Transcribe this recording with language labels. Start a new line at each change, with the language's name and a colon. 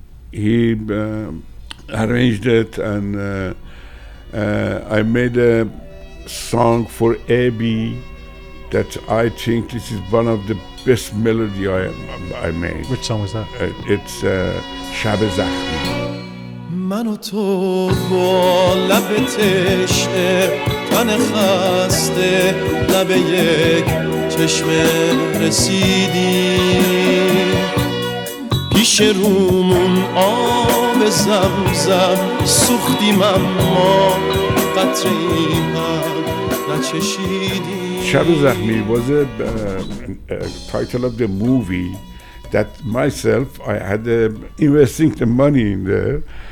English: He arranged it, and I made a song for Abby that I think this is one of the best melody I made. Which song was that? It's Shab-e Zakhmi.
Persian: من و تو با لب تشنه تن خسته لب یک چشمه رسیدیم پیش رومون آب زمزم سوختیم اما قطره این هم نچشیدیم
English: Shab-e Zakhmi was a title of the movie that myself, I had investing the money in there.